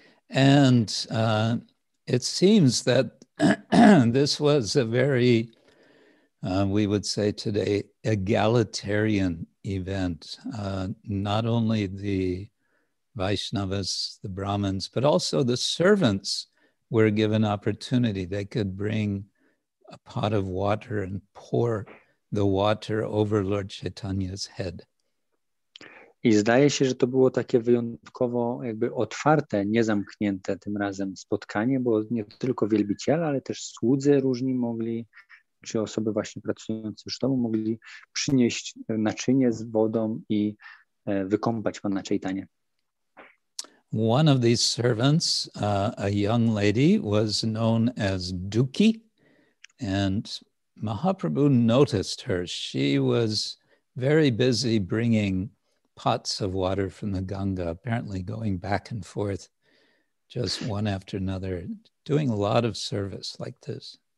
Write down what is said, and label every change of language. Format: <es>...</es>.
<en>And it seems that this was a very, we would say today, egalitarian event. Not only the Vaishnavas, the Brahmins, but also the servants were given opportunity. They could bring a pot of water and pour the water over Lord Chaitanya's head.</en> <pl>I zdaje się, że to było takie wyjątkowo jakby otwarte, niezamknięte tym razem spotkanie, bo nie tylko wielbiciele, ale też słudzy różni mogli, czy osoby właśnie pracujące w domu, mogli przynieść naczynie z wodą i wykąpać Pana Chaitanya.</pl> <en>One of these servants, a young lady, was known as Duki, and Mahaprabhu noticed her. She was very busy bringing pots of water from the Ganga, apparently going back and forth, just one after another, doing a lot of service like this.</en>